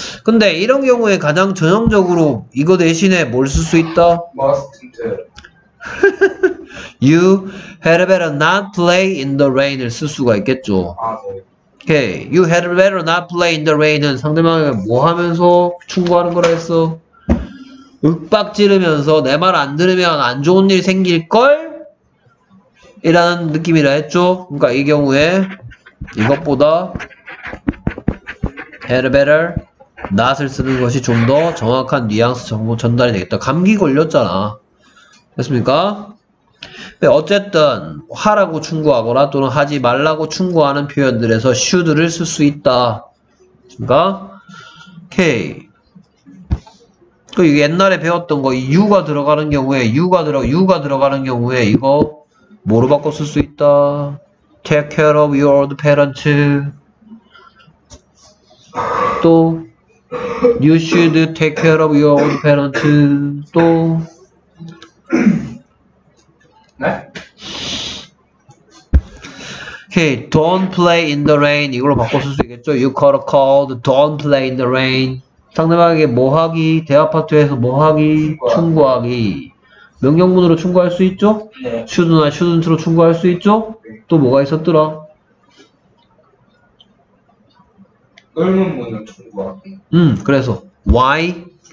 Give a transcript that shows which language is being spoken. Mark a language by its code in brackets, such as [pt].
[ko] 근데 이런 경우에 가장 전형적으로 이거 대신에 뭘 쓸 수 있다? [en] Mustn't. You had better not play in the rain [ko] 을 쓸 수가 있겠죠. 아, 네. [en] Okay. You had better not play in the rain은 [ko] 상대방에게 뭐 하면서 충고하는 거라 했어? 윽박지르면서 내 말 안 들으면 안 좋은 일 생길걸? 이라는 느낌이라 했죠? 그러니까 이 경우에 이것보다 [en] had better not [ko] 을 쓰는 것이 좀 더 정확한 뉘앙스 정보 전달이 되겠다. 감기 걸렸잖아. 됐습니까? 어쨌든 하라고 충고하거나 또는 하지 말라고 충고하는 표현들에서 should를 쓸 수 있다. 그러니까 오케이. 그 옛날에 배웠던 거 you가 들어가는 경우에 you가 들어가는 경우에 이거 뭐로 바꿔 쓸 수 있다. [en] Take care of your old parents. [ko] 또 [en] you should take care of your old parents. [ko] 또 네? [en] Okay, don't play in the rain. [ko] 이걸로 바꿔 쓸 수 있겠죠? [en] You got a call, don't play in the rain. [ko] 상대방에게 뭐 하기? 대아파트에서 뭐 하기? 충고하기. 명령문으로 충고할 수 있죠? 네. Should나 shouldn't로 충고할 수 있죠? 네. 또 뭐가 있었더라? 의문문으로 충고하기. 그래서 [en] why?